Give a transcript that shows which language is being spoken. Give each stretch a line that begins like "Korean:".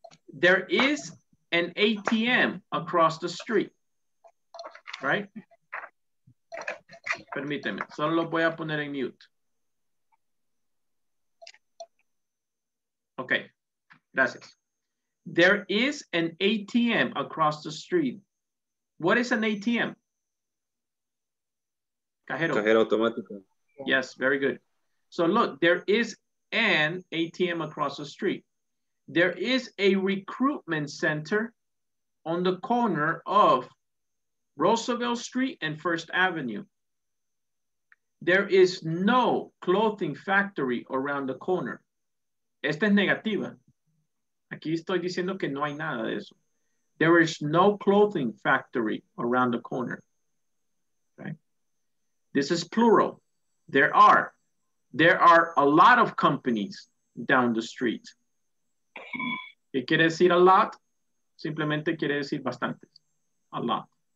English: There is an ATM across the street, right?
Spanish: Permíteme, solo lo voy a poner en mute.
English: Okay,
Spanish: gracias.
English: There is an ATM across the street. What is an ATM?
Spanish: Cajero. Cajero automático.
English: Yes, very good. So look, there is an ATM across the street. There is a recruitment center on the corner of Roosevelt Street and First Avenue. There is no clothing factory around the corner.
Spanish: Esta es negativa. Aquí estoy diciendo que no hay nada de eso.
English: There is no clothing factory around the corner. Okay. This is plural. There are a lot of companies down the street.
Spanish: ¿Qué quiere decir a lot? Simplemente quiere decir bastantes. A lot.